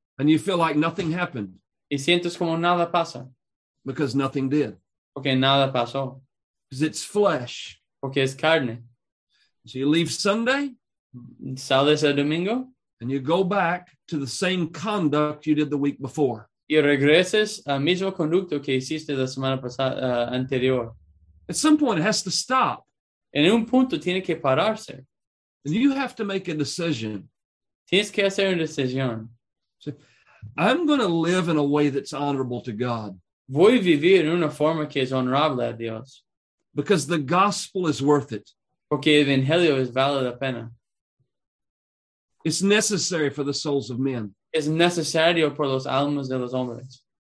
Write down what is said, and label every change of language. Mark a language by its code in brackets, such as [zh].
[en] And you feel like nothing happened. [es] Y sientes como nada pasa. [en] Because nothing did. [es] Porque nada pasó. [en] Because it's flesh. [es] Porque es carne. [en] So you leave Sunday. [es] Sales el domingo. [en] And you go back to the same conduct you did the week before. [es] Y regresas al mismo conducto que hiciste la semana pasada, anterior. [en] At some point it has to stop. [es] En un punto tiene que pararse. [en] And you have to make a decision. [es] Tienes que hacer una decisión. [en] So, I'm going to live in a way that's honorable to God. [es] Voy a vivir en una forma que es honorable a Dios. [en] Because the gospel is worth it. [es] Porque el evangelio es vale la pena. [en] It's necessary for the souls of men. [es] Es necesario por los almas de los hombres.